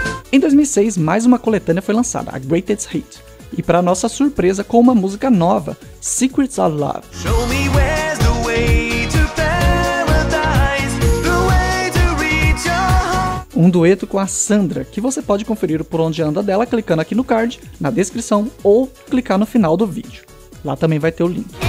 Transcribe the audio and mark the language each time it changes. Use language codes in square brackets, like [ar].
[pt] Em 2006, mais uma coletânea foi lançada, a Greatest Hit, e para nossa surpresa, com uma música nova, Secrets of Love. [en] Show me where's the way to paradise, the way to reach your heart. [pt] Um dueto com a Sandra, que você pode conferir por onde anda dela clicando aqui no card, na descrição, ou clicar no final do vídeo. Lá também vai ter o link.